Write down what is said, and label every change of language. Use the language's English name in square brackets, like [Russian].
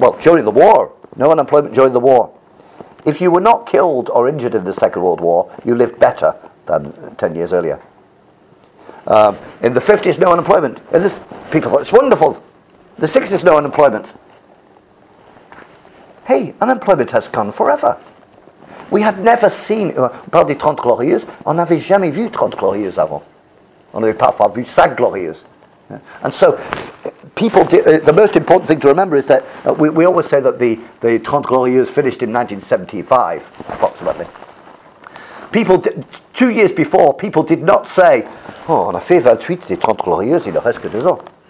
[English] Well, during the war, no unemployment during the war. If you were not killed or injured in the Second World War, you lived better than 10 years earlier. In the 50s, no unemployment. People thought, it's wonderful. The 60s, no unemployment. Hey, unemployment has gone forever. We had never seen, [French] par des 30 glorieuses, on n'avait jamais vu 30 glorieuses avant. On avait parfois vu 5 glorieuses. [English] And so, the most important thing to remember is that we always say that the 30 glorieuses finished in 1975, approximately. People, 2 years before, people did not say, oh, [French] on a fait 28 des 30 glorieuses, il ne reste que 2 ans.